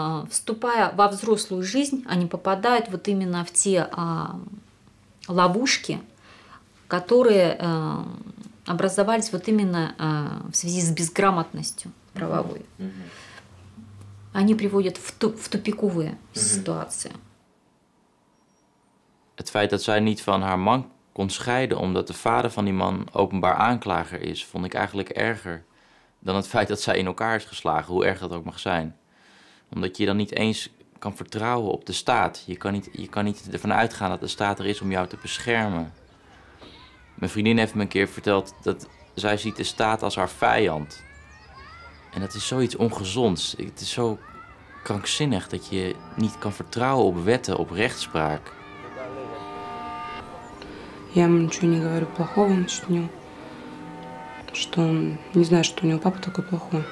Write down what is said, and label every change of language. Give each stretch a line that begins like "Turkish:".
Russian: Вступая во взрослую жизнь, они попадают вот именно в те ловушки, которые образовались вот именно в связи с безграмотностью правовой. Они приводят в тупиковые ситуации.
Dutch: Het feit dat zij niet van haar man kon scheiden omdat de vader van die man openbaar aanklager is, vond ik eigenlijk erger dan het feit dat zij in elkaar is geslagen, hoe erg dat ook mag zijn. Omdat je dan niet eens kan vertrouwen op de staat. Je kan niet ervan uitgaan dat de staat er is om jou te beschermen. Mijn vriendin heeft me een keer verteld dat zij ziet de staat als haar vijand. En dat is zoiets ongezonds. Het is zo krankzinnig dat je niet kan vertrouwen op wetten, op rechtspraak.
Russian: Я ему ничего не говорю плохого насчет него. Что он не знает, что у него папа такой плохой.